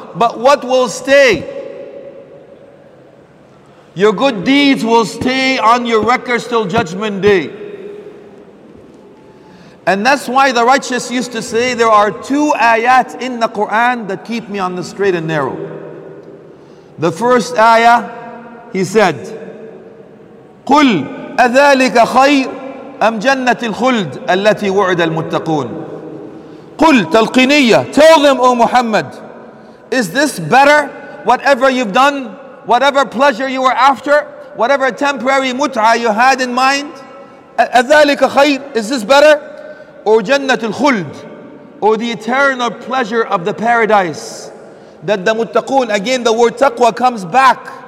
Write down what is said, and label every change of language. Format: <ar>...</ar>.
<en>But what will stay? Your good deeds will stay on your records till Judgment Day. And that's why the righteous used to say, there are two ayat in the Quran that keep me on the straight and narrow. The first ayah, he said,</en> <ar>قُلْ أَذَلِكَ خَيْرٌ أَمْ جَنَّةِ الْخُلْدِ الَّتِي وُعِدَ الْمُتَّقُونَ. قُلْ تَلْقِنِيَّ.</ar> <en>Tell them, O Muhammad, is this better? Whatever you've done, whatever pleasure you were after, whatever temporary mut'a you had in mind,</en> <ar>أَذَلِكَ خَيْرٌ.</ar> <en>Is this better? Or Jannat al-Khuld, or the eternal pleasure of the paradise, that the muttaqoon, again the word taqwa comes back.</en>